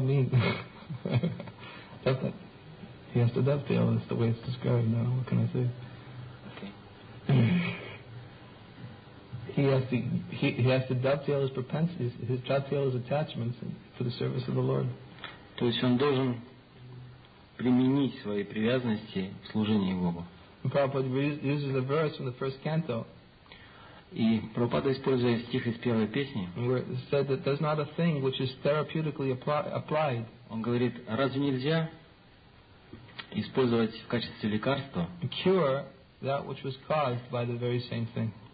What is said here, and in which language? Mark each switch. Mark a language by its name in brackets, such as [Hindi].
[English] Dovetail. He has to dovetail. That's the way it's described now. What can I say? He has to dovetail his propensities, his dovetail his attachments for the service of the Lord. [Russian] То есть он должен применить свои привязанности в служении Богу. И Прабхупада, используя стих из первой песни, [English] said that there's not a thing which is therapeutically applied. [Russian] Он говорит, разве нельзя использовать в качестве лекарства [English] cure that which was caused by the very same thing.